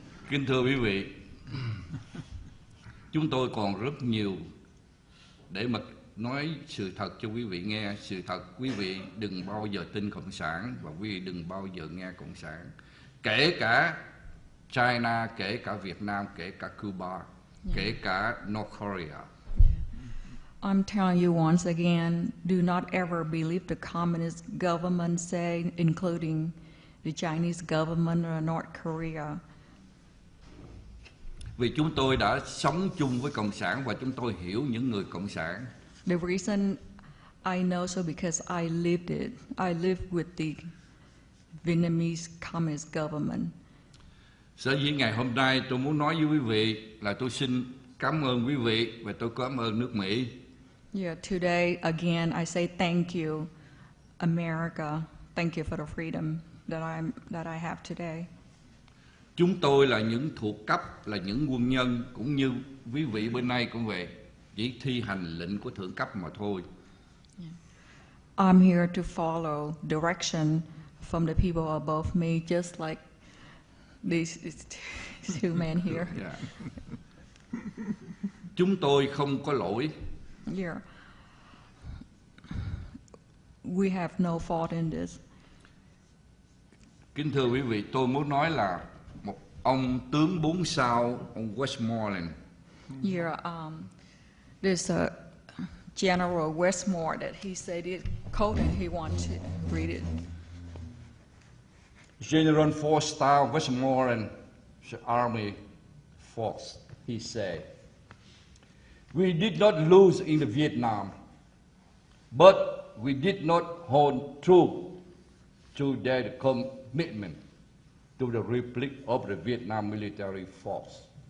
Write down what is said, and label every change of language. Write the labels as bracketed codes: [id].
[vi] Kính thưa quý vị, chúng tôi còn rất nhiều để mà nói sự thật cho quý vị nghe. Sự thật, quý vị đừng bao giờ tin Cộng sản và quý vị đừng bao giờ nghe Cộng sản. Kể cả China, kể cả Việt Nam, kể cả Cuba, kể cả North Korea. [en] I'm telling you once again, do not ever believe the communist government say, including the Chinese government or North Korea. [vi] Vì chúng tôi đã sống chung với Cộng sản và chúng tôi hiểu những người Cộng sản. [en] The reason I know so because I lived it. I lived with the Vietnamese communist government. [vi] Sở dĩ ngày hôm nay tôi muốn nói với quý vị là tôi xin cảm ơn quý vị và tôi cảm ơn nước Mỹ. [en] Yeah, today again I say thank you, America. Thank you for the freedom that I have today. [vi] Chúng tôi là những thuộc cấp, là những quân nhân, cũng như quý vị bên này cũng vậy, chỉ thi hành lệnh của thượng cấp mà thôi. Yeah. [en] I'm here to follow direction from the people above me, just like these two men here. Yeah. [vi] Chúng tôi không có lỗi. Yeah. [en] We have no fault in this. [vi] Kính thưa quý vị, tôi muốn nói là một ông tướng 4 sao, ông Westmoreland. [en] Yeah, there's a General Westmore that he said it, quote, and he wants to read it. General 4-star Westmoreland, the Army Force, he said, "We did not lose in the Vietnam, but we did not hold true to their commitment to the Republic of the Vietnam Military Force.